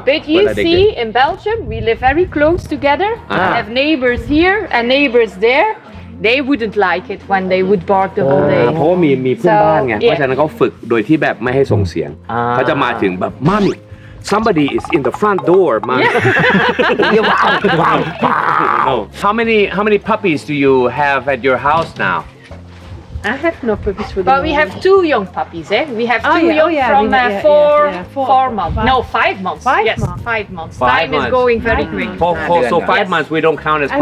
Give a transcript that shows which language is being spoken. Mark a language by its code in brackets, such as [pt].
[en] but you see in Belgium we live very close together I have neighbors here and neighbors there they wouldn't like it when they would bark the whole day [th] เพราะมีเพื่อนบ้านไงเพราะฉะนั้นเขาฝึกโดยที่แบบไม่ให้ส่งเสียงเขาจะมาถึงแบบมัม [en] Somebody is in the front door, man. How many puppies do you have at your house now? I have no puppies for the moment. But we have two young puppies, eh? We have five months. Time is going very quick. So 5 months we don't count as puppies.